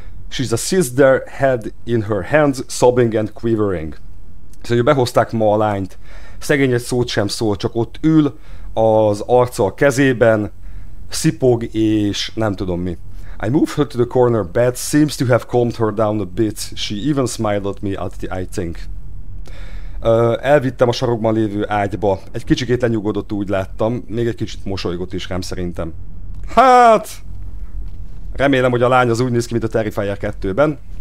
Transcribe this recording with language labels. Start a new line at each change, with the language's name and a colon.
English: She's a sister, head in her hands, sobbing and quivering.
Hungarian: Szóval behozták ma a lányt. Szegény egy szót sem szól, csak ott ül, az arca a kezében, szipog és nem tudom mi.
English: I moved her to the corner bed, seems to have calmed her down a bit. She even smiled at me, I think.
Hungarian: Elvittem a sarokban lévő ágyba. Egy kicsikét lenyugodott, úgy láttam. Még egy kicsit mosolygott is rám szerintem. Hát... remélem, hogy a lány az úgy néz ki, mint a Terrifier 2-ben.